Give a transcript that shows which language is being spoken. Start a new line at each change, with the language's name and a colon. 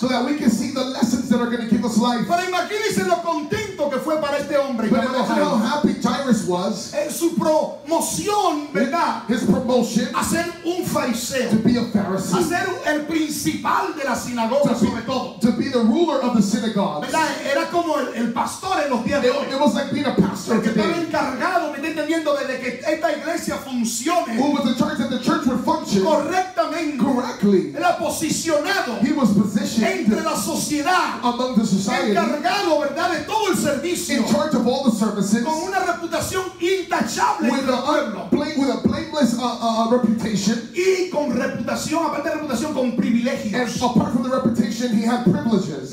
English: So that we can see the lessons that are going to give us life.
Spanish: Pero imagínense lo contento que fue para este hombre.
English: But imagine how happy Jairus was.
Spanish: Su promoción, ¿verdad?
English: His promotion,
Spanish: a ser un fariseo,
English: to be a Pharisee,
Spanish: a ser el principal de la sinagoga, sobre todo,
English: to be the ruler of the synagogue,
Spanish: ¿verdad? Era como el pastor en los días de hoy.
English: It was like being a pastor today.
Spanish: Estaba encargado, me entendiendo, de que esta iglesia funcione.
English: Who was in charge that the church would function
Spanish: correctamente?
English: Correctly.
Spanish: Era posicionado.
English: He was positioned
Spanish: entre la sociedad,
English: among the society,
Spanish: encargado, ¿verdad? De todo el servicio,
English: in charge of all the services,
Spanish: con una reputación intachable,
English: with a blameless reputation,
Spanish: y con reputación, aparte de reputación, con privilegios.
English: And apart from the reputation, he had privileges.